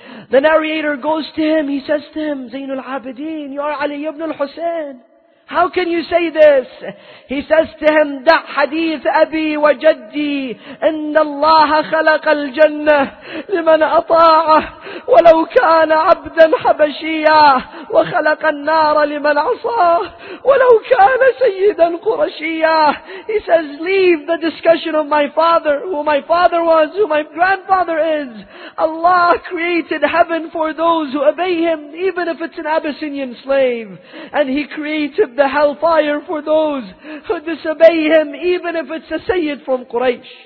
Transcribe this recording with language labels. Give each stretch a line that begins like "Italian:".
English: The narrator goes to him, he says to him, Zainul Abideen, you are Ali ibn al-Husayn. How can you say this? He says to him,
Arabic: دَعْ حَدِيثَ أَبِي وَجَدِّي إِنَّ اللَّهَ خَلَقَ الْجَنَّةِ لِمَنْ أَطَاعَهُ وَلَوْ كَانَ عَبْدًا حَبَشِيًّا وَخَلَقَ النَّارَ لِمَنْ عَصَاهُ وَلَوْ كَانَ سَيِّدًا قُرَشِيًّا.
English: He says, leave the discussion of my father, who my father was, who my grandfather is. Allah created heaven for those who obey Him, even if it's an Abyssinian slave. And He created the hellfire for those who disobey him, even if it's a Sayyid from Quraysh.